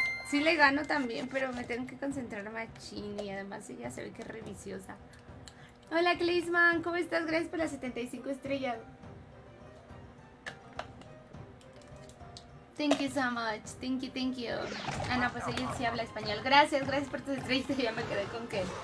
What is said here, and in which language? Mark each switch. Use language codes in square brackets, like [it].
[es] Sí le gano también, pero me tengo que concentrar más chin y además ella se ve que es re viciosa. Hola Clisman, ¿cómo estás? Gracias por las 75 estrellas. [en] Thank you so much, thank you. [es] Ah, no, pues ella sí habla español. Gracias, gracias por tu estrellita, ya me quedé con que.